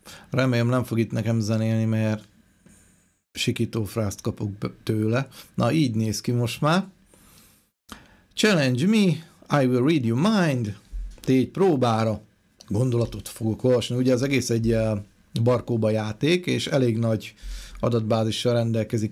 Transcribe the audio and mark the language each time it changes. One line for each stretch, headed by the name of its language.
Hungarian: Remélem nem fog itt nekem zenélni, mert sikítófrászt kapok tőle. Na, így néz ki most már.
English: Challenge me, I will read your mind.
Hungarian: Tégy próbára. Gondolatot fogok olvasni. Ugye az egész egy barkóba játék, és elég nagy adatbázissal rendelkezik.